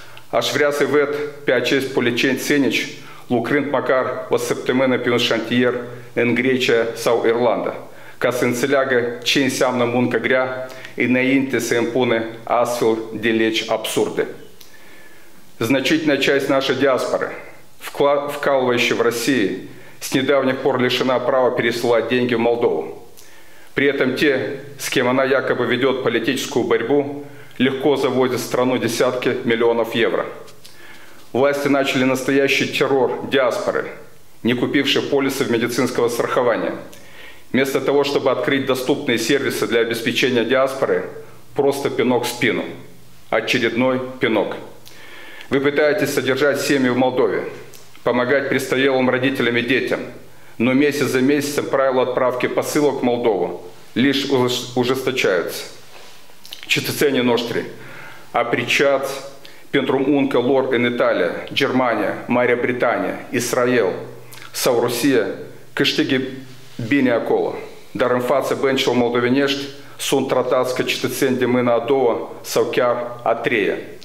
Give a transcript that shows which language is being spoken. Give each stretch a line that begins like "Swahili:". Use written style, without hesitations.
Romanian: Aș vrea să văd pe acești policieni ținici lucrând măcar o săptămână pe un șantier în Grecia sau Irlanda, ca să înțeleagă ce înseamnă muncă grea înainte să impune astfel de legi absurde.
Russian: Значительная часть нашей диаспоры, вкалывающей в России, с недавних пор лишена права пересылать деньги в Молдову. При этом те, с кем она якобы ведет политическую борьбу, легко заводят в страну десятки миллионов евро. Власти начали настоящий террор диаспоры, не купившей полисов медицинского страхования. Вместо того, чтобы открыть доступные сервисы для обеспечения диаспоры, просто пинок в спину. Очередной пинок. Вы пытаетесь содержать семьи в Молдове, помогать престарелым родителям и детям, но месяц за месяцем правила отправки посылок в Молдову лишь ужесточаются.
Romanian: Cetățenii noștri, apreciați pentru munca lor în Italia, Germania, Marea Britanie, Israel sau Rusia, câștigă bine acolo, dar în fața băncilor moldovenești sunt tratați ca cetățeni de mâna a doua sau chiar a treia.